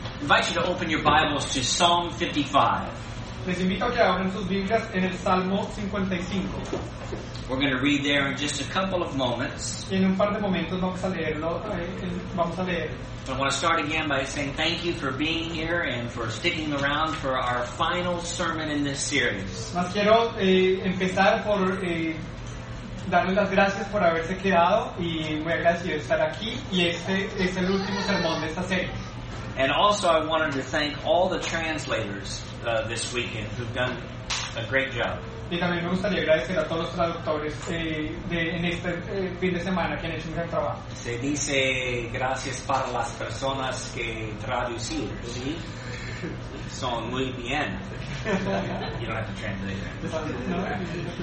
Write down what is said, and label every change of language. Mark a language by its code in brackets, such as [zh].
[en] invite you to open your Bibles to Psalm 55. [es] Les invito a que abran sus Biblias en el Salmo 55. [en] We're going to read there in just a couple of moments. [es] En un par de momentos vamos a leerlo. Vamos a leer. [en] I want to start again by saying thank you for being here and for sticking around for our final sermon in this series. [es] Mas quiero empezar por darles las gracias por haberse quedado y muy agradecido de estar aquí y este es el último sermón de esta serie. [en] And also I wanted to thank all the translators this weekend who've done a great job. [es] Y también me gustaría agradecer a todos los traductores en este fin de semana que han hecho un gran trabajo. Se dice gracias para las personas que traducir, ¿sí? Son muy bien. [en] You don't have to translate them.